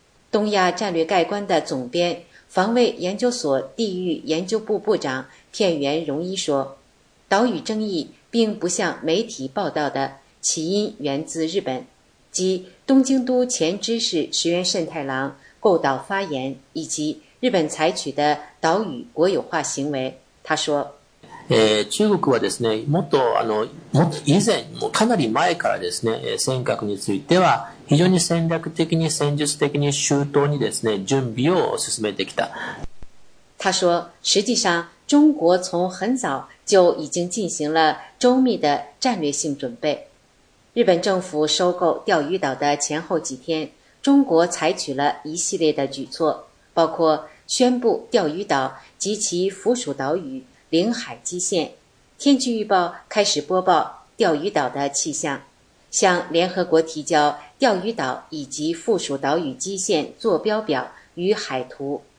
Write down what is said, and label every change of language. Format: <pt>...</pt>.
<zh>东亚战略概观的总编、防卫研究所地域研究部部长片原荣一说，岛屿争议并不像媒体报道的，起因源自日本，即东京都前知事石原慎太郎购岛发言以及日本采取的岛屿国有化行为。他说，</zh> <ja>中国はですね、もっと以前、もうかなり前からですね、尖閣については非常に戦略的に戦術的に周到にですね、準備を進めてきた。</ja> <zh>他说，实际上中国从很早就已经进行了周密的战略性准备。日本政府收购钓鱼岛的前后几天，中国采取了一系列的举措，包括宣布钓鱼岛及其附属岛屿领海基线，天气预报开始播报钓鱼岛的气象，向联合国提交钓鱼岛以及附属岛屿基线坐标表与海图，</zh>